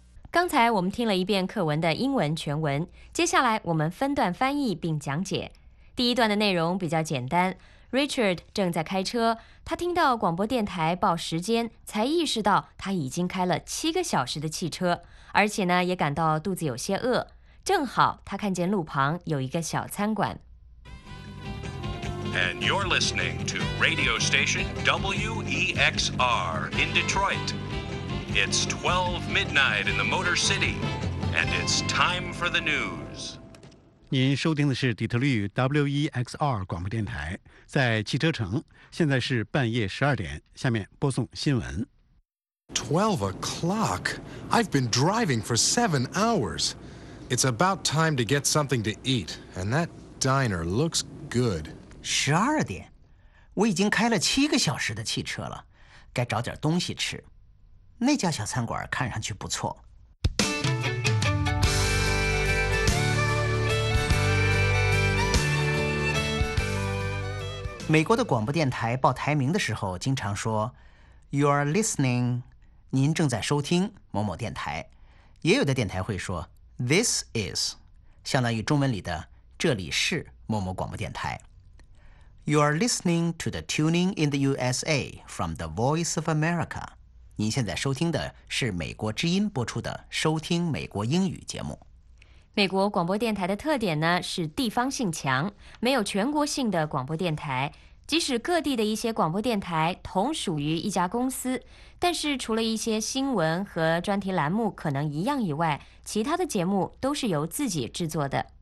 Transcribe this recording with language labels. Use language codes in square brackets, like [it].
[zh] 刚才我们听了一遍课文的英文全文，接下来我们分段翻译并讲解。第一段的内容比较简单， Richard 正在开车，他听到广播电台报时间，才意识到他已经开了7个小时的汽车，而且呢，也感到肚子有些饿。正好他看见路旁有一个小餐馆。 [en] And you're listening to radio station WEXR in Detroit. It's 12 midnight in the Motor City, and it's time for the news. [zh] 您收听的是底特律 WEXR 广播电台，在汽车城，现在是半夜12点，下面播送新闻。 [en] 12 o'clock? I've been driving for 7 hours. It's about time to get something to eat, and that diner looks good. [zh] 十二点，我已经开了7个小时的汽车了，该找点东西吃。那家小餐馆看上去不错。美国的广播电台报台名的时候经常说 [en] You are listening， [zh] 您正在收听某某电台。也有的电台会说 [en] This is， [zh] 相当于中文里的这里是某某广播电台。 [en] You are listening to the Tuning in the USA from the Voice of America. [zh] 您现在收听的是美国之音播出的收听美国英语节目。美国广播电台的特点呢是地方性强，没有全国性的广播电台。即使各地的一些广播电台同属于一家公司，但是除了一些新闻和专题栏目可能一样以外，其他的节目都是由自己制作的。